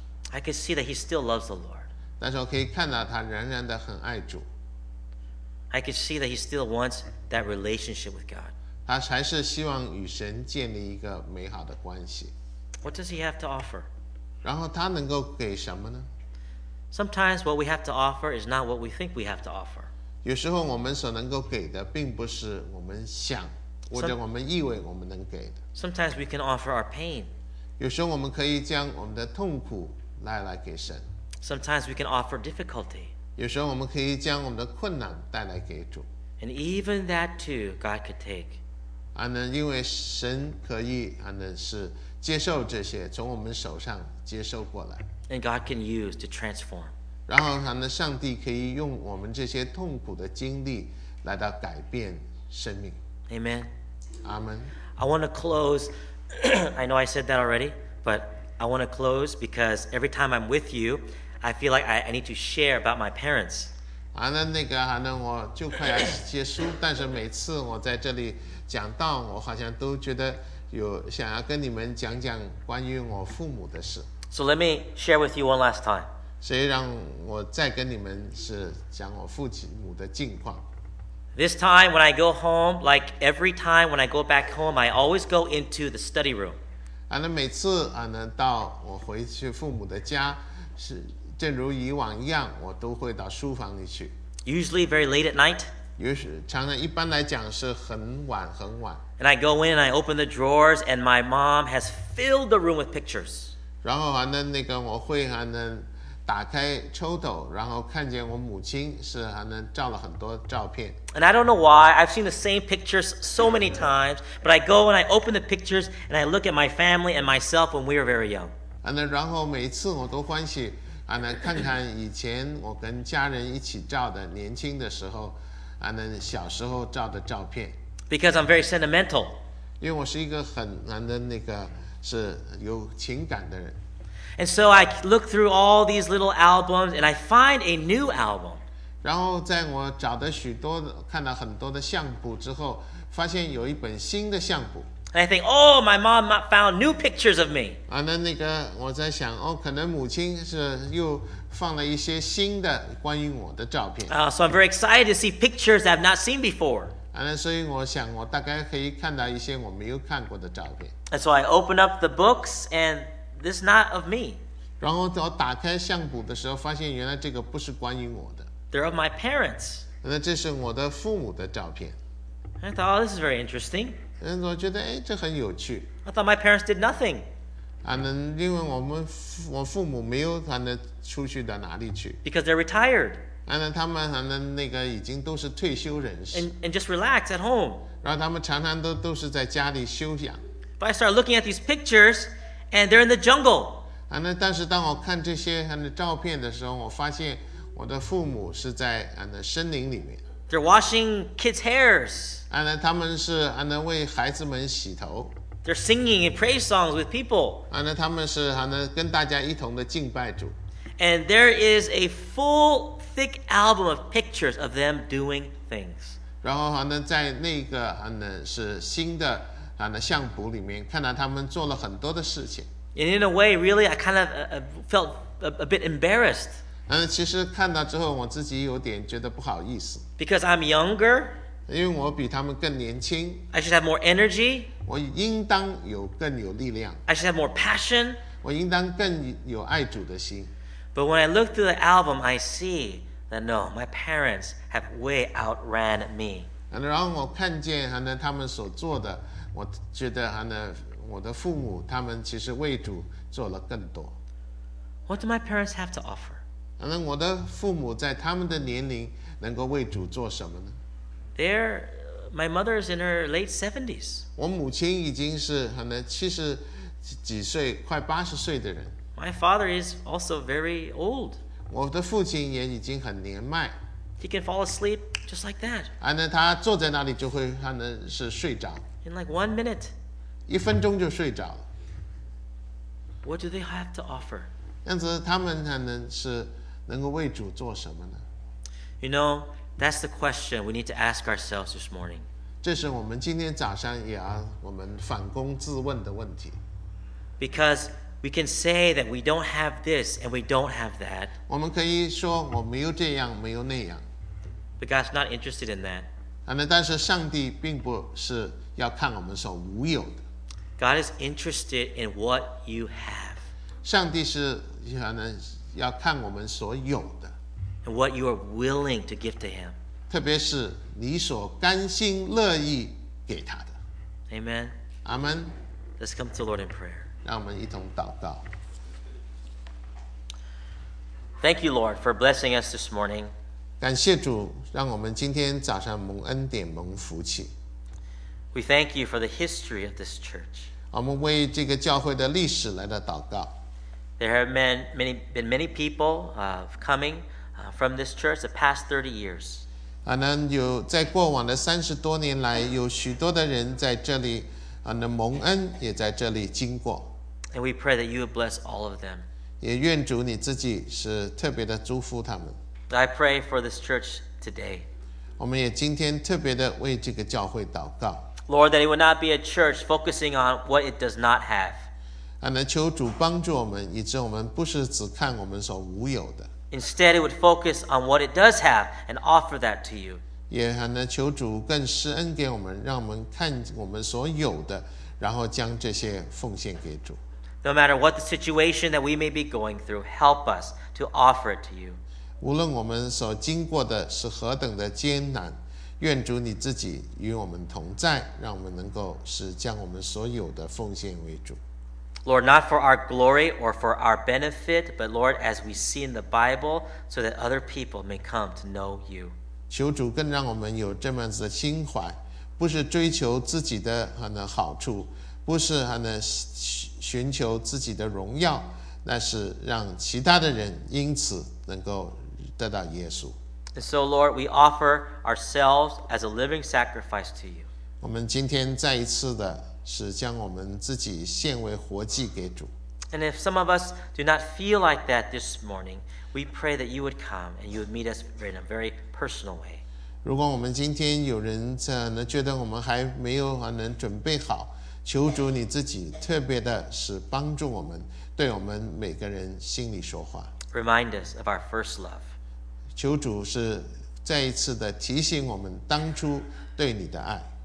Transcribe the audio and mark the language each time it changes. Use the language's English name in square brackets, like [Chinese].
[English] I could see that he still loves the Lord. [Chinese] 但是我可以看到他仍然的很爱主。 [English] I could see that he still wants that relationship with God. [Chinese] 他还是希望与神建立一个美好的关系。 [English] What does he have to offer? [Chinese] 然后他能够给什么呢？ [English] Sometimes what we have to offer is not what we think we have to offer. [Chinese] 有时候我们所能够给的并不是我们想或者我们以为我们能给的。 [English] Sometimes we can offer our pain. [Chinese] 有时候我们可以将我们的痛苦来给神。 [English] Sometimes we can offer difficulty. [Chinese] 有时候我们可以将我们的困难带来给主。 [English] And even that too, God could take. [Chinese] 因为神可以是接受这些从我们手上接受过来。 [English] And God can use to transform. [Chinese] 然后上帝可以用我们这些痛苦的经历来到改变生命。 [English] Amen. Amen. I want to close. I know I said that already, but I want to close because every time I'm with you, I feel like I need to share about my parents. [Chinese] 我就快要结束，但是每次我在这里讲到，我好像都觉得有想要跟你们讲讲关于我父母的事。 [English] So let me share with you one last time. [Chinese] 所以让我再跟你们是讲我父母的近况。 [English] This time when I go home, like every time when I go back home, I always go into the study room. [Chinese] 每次到我回去父母的家，是正如以往一样，我都会到书房里去。 [English] Usually very late at night. [Chinese] 常常一般来讲是很晚很晚。 [English] And I go in and I open the drawers and my mom has filled the room with pictures. [Chinese] 然后我会打开抽斗，然后看见我母亲是照了很多照片。 [English] And I don't know why, I've seen the same pictures so many times, but I go and I open the pictures and I look at my family and myself when we were very young. [Chinese] 然后每次我都欢喜看看以前我跟家人一起照的年轻的时候小时候照的照片。 [English] Because I'm very sentimental. [Chinese] 因为我是一个很是有情感的人。 [English] And so I look through all these little albums and I find a new album. [Chinese] 然后在我找的许多看到很多的相簿之后发现有一本新的相簿。 [English] And I think, oh, my mom found new pictures of me. [Chinese] 我在想哦可能母亲是又放了一些新的关于我的照片。 [English] So I'm very excited to see pictures that I've not seen before. [Chinese] 所以我想我大概可以看到一些我没有看过的照片。 [English] And so I open up the books and this is not of me. [Chinese] 然后我打开相簿的时候，发现原来这个不是关于我的。 [English] They're of my parents. [Chinese] 那这是我的父母的照片。 [English] I thought, oh, this is very interesting. [Chinese] 我觉得，这很有趣。 [English] I thought my parents did nothing. [Chinese] 因为我父母没有出去到哪里去。 [English] Because they're retired. [Chinese] 他们已经都是退休人士。 [English] And just relax at home. [Chinese] 然后他们常常都是在家里休养。 [English] But I started looking at these pictures. And they're in the jungle. [Chinese] 但是当我看这些照片的时候，我发现我的父母是在森林里面。 [English] They're washing kids' hairs. [Chinese] 他们是为孩子们洗头。 [English] They're singing and praise songs with people. [Chinese] 他们是跟大家一同的敬拜主。 [English] And there is a full, thick album of pictures of them doing things. [Chinese] 然后在那个是新的。相簿里面看到他们做了很多的事情。 [English] And in a way, really, I kind of felt a bit embarrassed. [Chinese] 其实看到之后我自己有点觉得不好意思。 [English] Because I'm younger. [Chinese] 因为我比他们更年轻。 [English] I should have more energy. [Chinese] 我应当有更有力量。 [English] I should have more passion. [Chinese] 我应当更有爱主的心。 [English] But when I look through the album, I see that no, my parents have way outran me. [Chinese] 然后我看见他们所做的我觉得我的父母他们其实为主做了更多。 [English] What do my parents have to offer? [Chinese] 我的父母在他们的年龄能够为主做什么呢？ [English] They're, my mother is in her late 70s. [Chinese] 我母亲已经是七十几岁快八十岁的人。 [English] My father is also very old. [Chinese] 我的父亲也已经很年迈。 [English] He can fall asleep just like that. [Chinese] 他坐在那里就会是睡着。 [English] In like 1 minute. [Chinese] 一分钟就睡着了。 [English] What do they have to offer? [Chinese] 这样子他们是能够为主做什么呢？ [English] You know, That's the question we need to ask ourselves this morning. [Chinese] 这是我们今天早上也要我们反躬自问的问题。 [English] Because we can say that we don't have this and we don't have that. [Chinese] 我们可以说我没有这样，没有那样。 [English] But God's not interested in that. [Chinese] 但是上帝并不是要看我们所无有的。 [English] God is interested in what you have. [Chinese] 上帝是可能要看我们所有的。 [English] And what you are willing to give to him. [Chinese] 特别是你所甘心乐意给他的。 [English] Amen. Amen. Let's come to the Lord in prayer. [Chinese] 让我们一同祷告。 [English] Thank you, Lord, for blessing us this morning. [Chinese] 感谢主，让我们今天早上蒙恩典，蒙福气。 [English] We thank you for the history of this church. [Chinese] 我们为这个教会的历史来到祷告。 [English] There have been many people coming. From this church the past 30 years. [Chinese] 可能有在过往的三十多年来有许多的人在这里蒙恩也在这里经过。 [English] And we pray that you would bless all of them. [Chinese] 也愿主你自己是特别的祝福他们。 [English] I pray for this church today. [Chinese] 我们也今天特别的为这个教会祷告。 [English] Lord, that it would not be a church focusing on what it does not have. [Chinese] 可能求主帮助我们以致我们不是只看我们所无有的。 [English] Instead, it would focus on what it does have and offer that to you. [Chinese] 也很难求主更施恩给我们，让我们看我们所有的，然后将这些奉献给主。 [English] No matter what the situation that we may be going through, help us to offer it to you. [Chinese] 无论我们所经过的是何等的艰难，愿主你自己与我们同在，让我们能够是将我们所有的奉献为主。 [English] Lord, not for our glory or for our benefit, but Lord, as we see in the Bible, so that other people may come to know you. [Chinese] 求主更让我们有这么子的心怀，不是追求自己的好处，不是寻求自己的荣耀，那是让其他的人因此能够得到耶稣。 [English] And so, Lord, we offer ourselves as a living sacrifice to you. [Chinese] 我们今天再一次的是将我们自己献为活祭给主。 [English] And if some of us do not feel like that this morning, we pray that you would come and you would meet us in a very personal way. [Chinese] 如果我们今天有人觉得我们还没有能准备好，求主你自己特别的是帮助我们，对我们每个人心里说话。 [English] Remind us of our first love. [Chinese] 求主是再一次的提醒我们当初对你的爱。